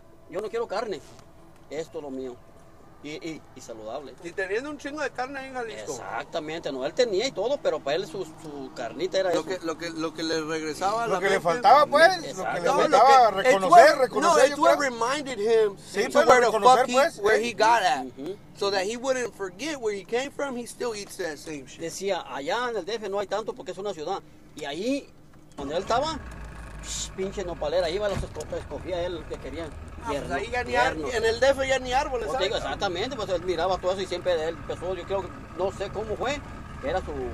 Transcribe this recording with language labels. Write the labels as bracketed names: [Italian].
[Spanish] Yo no quiero carne, esto es lo mío, y saludable. Y teniendo un chingo de carne ahí en Jalisco. Exactamente, no, él tenía y todo, pero para él su carnita era lo eso. Lo que le regresaba lo que le faltaba, pues, lo que le faltaba reconocer. [English] No, it's what reminded him to where the fuck where he got at. So that he wouldn't forget where he came from, he still eats that same shit. [Spanish] Decía, allá en el DF no hay tanto porque es una ciudad. Y ahí, donde él estaba, pinche nopalera, iba a los escogía él que querían. Tierno, ahí ya ni tierno, en el DF ya ni árboles. Pues, digo, exactamente, pues él miraba todo eso y siempre él empezó, yo creo, no sé cómo fue, que era su...